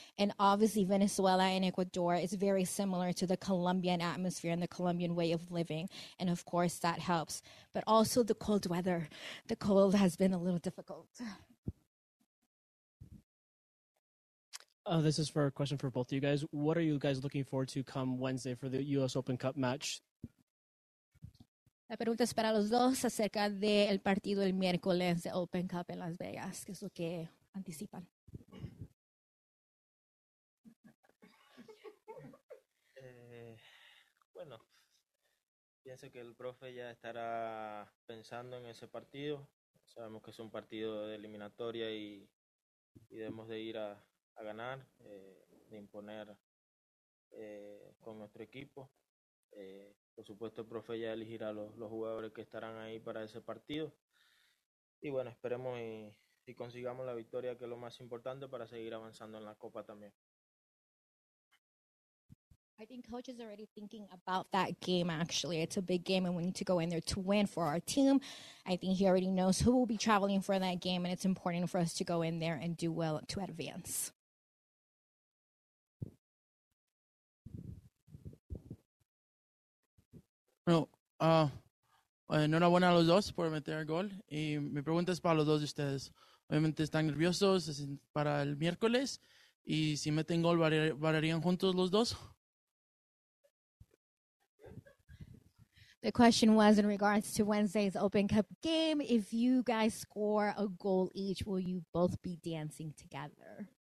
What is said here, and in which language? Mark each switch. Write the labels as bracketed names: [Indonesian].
[English] And obviously Venezuela and Ecuador is very similar to the Colombian atmosphere and the Colombian way of living. And of course that helps, but also the cold weather. The cold has been a little difficult. This is for a question for both of you guys. What are you guys looking forward to come Wednesday for the U.S. Open Cup match? [Spanish] La pregunta es para los dos acerca del partido el miércoles de Open Cup en Las Vegas. ¿Qué es lo que anticipan? Bueno, pienso que el profe ya estará pensando en ese partido. Sabemos que es un partido de eliminatoria y debemos de ir a ganar, de imponer con nuestro equipo. Por supuesto, el profe ya elegirá los jugadores que estarán ahí para ese partido. Y bueno, esperemos y consigamos la victoria, que es lo más importante para seguir avanzando en la Copa también. [English] I think coach is already thinking about that game, actually. It's a big game, and we need to go in there to win for our team. I think he already knows who will be traveling for that game, and it's important for us to go in there and do well to advance. [Spanish] Bueno, enhorabuena a los dos por meter el gol. Y mi pregunta es para los dos de ustedes. Obviamente están nerviosos para el miércoles. Y si meten gol, ¿variarían juntos los dos? [English] The question was in regards to Wednesday's Open Cup game. If you guys score a goal each, will you both be dancing together?